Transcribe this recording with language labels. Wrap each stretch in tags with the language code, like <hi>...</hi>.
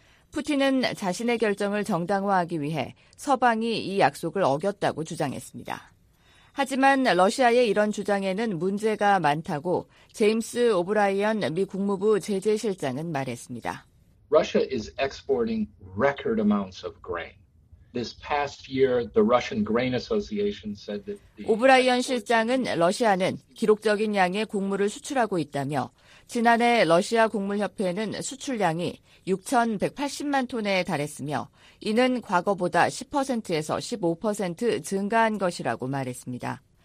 <ko>푸틴은 자신의 결정을 정당화하기 위해 서방이 이 약속을 어겼다고 주장했습니다. 하지만 러시아의 이런 주장에는 문제가 많다고 제임스 오브라이언 미 국무부 제재실장은 말했습니다.</ko> <en>Russia is exporting record amounts of grain. This past year, the Russian Grain Association said that.</en> <ko>오브라이언 실장은 러시아는 기록적인 양의 곡물을 수출하고 있다며 지난해 러시아 곡물협회는 수출량이 6,180만 톤에 달했으며 이는 과거보다 10%에서 15% 증가한 것이라고 말했습니다.</ko>